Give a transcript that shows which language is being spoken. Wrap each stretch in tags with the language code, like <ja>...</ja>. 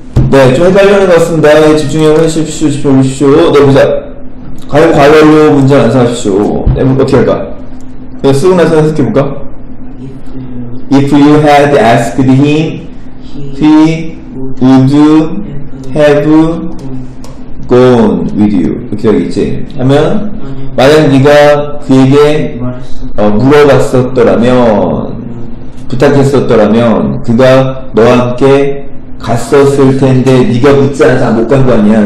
<ko>네, 좀 헷갈리는 것 같습니다. 집중해 보십시오. 네, 보자. 과거로 문제 완성하십시오. 네, 어떻게 할까? 그냥 쓰고 나서 해석해볼까?</ko> <en>If you had asked him, he would have gone with you.</en> <ko>이렇게 하는 거지. 하면, 만약 네가 그에게 물어봤었더라면 부탁했었더라면 그가 너와 함께 갔었을 텐데 네가 묻지 않아서 안 못 간 거 아니야?</ko>